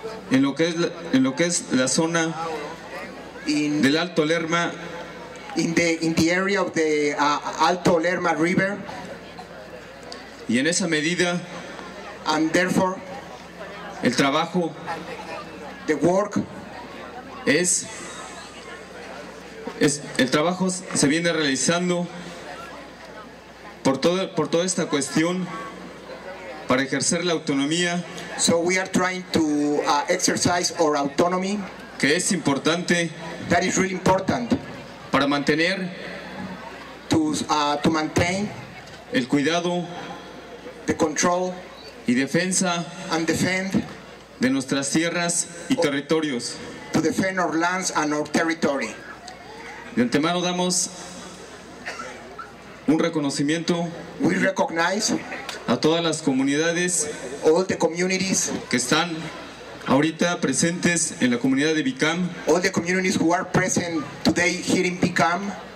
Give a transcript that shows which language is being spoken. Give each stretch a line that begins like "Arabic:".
Spanish: en lo que es la zona del Alto Lerma
English: in the area of the Alto Lerma River.
Spanish: Y en esa medida,
English: and therefore,
Spanish: el trabajo,
English: the work,
Spanish: es el trabajo se viene realizando por toda esta cuestión para ejercer la autonomía.
English: So we are trying to exercise our autonomy,
Spanish: que es importante,
English: that is really important,
Spanish: para mantener
English: to maintain
Spanish: el cuidado,
English: the control,
Spanish: y defensa,
English: and defend
Spanish: de nuestras tierras y territorios,
English: to defend our lands and our territory.
Spanish: De antemano damos un reconocimiento,
English: we recognize
Spanish: a todas las comunidades,
English: all the communities
Spanish: que están ahorita presentes en la comunidad de Bicam,
English: all the communities who are present today here in Bicam,